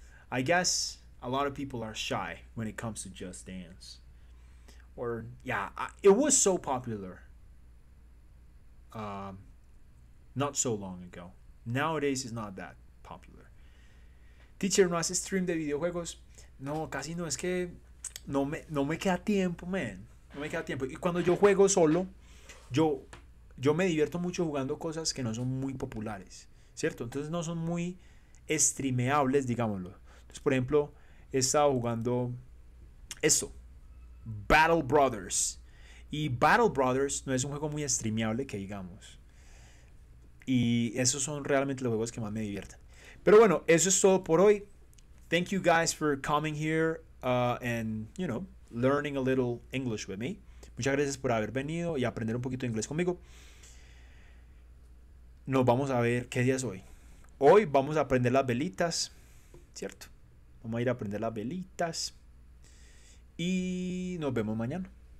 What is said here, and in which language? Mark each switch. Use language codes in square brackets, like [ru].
[en] I guess a lot of people are shy when it comes to Just Dance. Or, yeah, it was so popular not so long ago. Nowadays, it's not that popular. Teacher, [es] ¿no hace stream de videojuegos? No, casi no. Es que no me queda tiempo, man. No me queda tiempo. Y cuando yo juego solo, yo me divierto mucho jugando cosas que no son muy populares, ¿cierto? Entonces, no son muy streameables, digámoslo. Entonces, por ejemplo, he estado jugando esto. Battle Brothers. Y Battle Brothers no es un juego muy streameable, que digamos. Y esos son realmente los juegos que más me divierten. Pero bueno, eso es todo por hoy. [en] Thank you guys for coming here and, you know, learning a little English with me. [es] Muchas gracias por haber venido y aprender un poquito de inglés conmigo. Nos vamos a ver qué día es hoy. Hoy vamos a aprender las velitas, ¿cierto? Vamos a ir a aprender las velitas. Y nos vemos mañana.